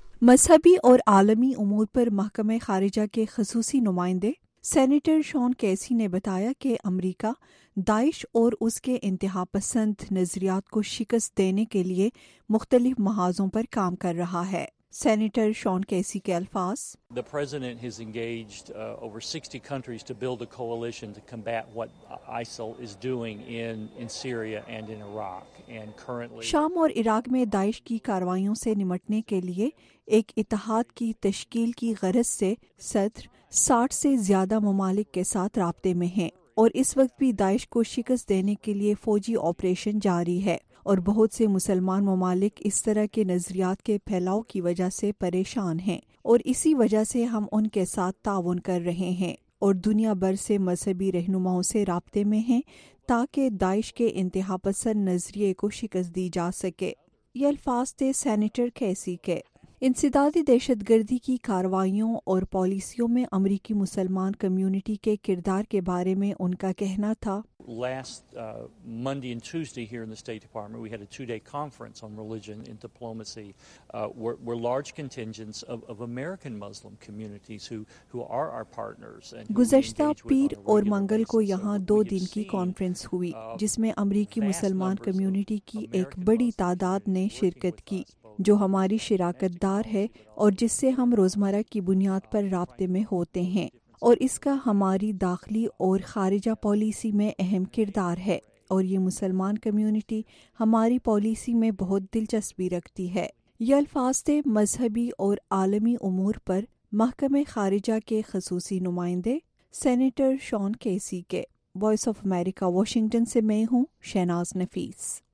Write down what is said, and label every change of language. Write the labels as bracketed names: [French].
[Urdu] مذہبی اور عالمی امور پر محکمہ خارجہ کے خصوصی نمائندے سینیٹر شان کیسی نے بتایا کہ امریکہ داعش اور اس کے انتہا پسند نظریات کو شکست دینے کے لیے مختلف محاذوں پر کام کر رہا ہے۔ سینیٹر شان کیسی کے الفاظ، [English] The president has engaged over 60 countries to build a coalition to combat what ISIL is doing in Syria and in Iraq. And currently, [Urdu] شام اور عراق میں داعش کی کاروائیوں سے نمٹنے کے لیے ایک اتحاد کی تشکیل کی غرض سے صدر 60 سے زیادہ ممالک کے ساتھ رابطے میں ہیں، اور اس وقت بھی داعش کو شکست دینے کے لیے فوجی آپریشن جاری ہے، اور بہت سے مسلمان ممالک اس طرح کے نظریات کے پھیلاؤ کی وجہ سے پریشان ہیں، اور اسی وجہ سے ہم ان کے ساتھ تعاون کر رہے ہیں اور دنیا بھر سے مذہبی رہنماؤں سے رابطے میں ہیں تاکہ داعش کے انتہا پسند نظریے کو شکست دی جا سکے۔ یہ الفاظ تھے سینیٹر کیسی کے۔ انسدادی دہشت گردی کی کاروائیوں اور پالیسیوں میں امریکی مسلمان کمیونٹی کے کردار کے بارے میں ان کا کہنا تھا، [English] Last Monday and Tuesday here in the State Department we had a 2-day conference on religion and diplomacy where large contingents of American Muslim communities who are our partners and [Urdu] گزشتہ پیر اور منگل کو یہاں 2 دن کی کانفرنس ہوئی جس میں امریکی مسلمان کمیونٹی کی ایک بڑی تعداد نے شرکت کی، جو ہماری شراکت دار ہے اور جس سے ہم روزمرہ کی بنیاد پر رابطے میں ہوتے ہیں، اور اس کا ہماری داخلی اور خارجہ پالیسی میں اہم کردار ہے، اور یہ مسلمان کمیونٹی ہماری پالیسی میں بہت دلچسپی رکھتی ہے۔ یہ الفاظ تھے مذہبی اور عالمی امور پر محکمہ خارجہ کے خصوصی نمائندے سینیٹر شان کیسی کے۔ وائس آف امریکہ واشنگٹن سے میں ہوں شہناز نفیس۔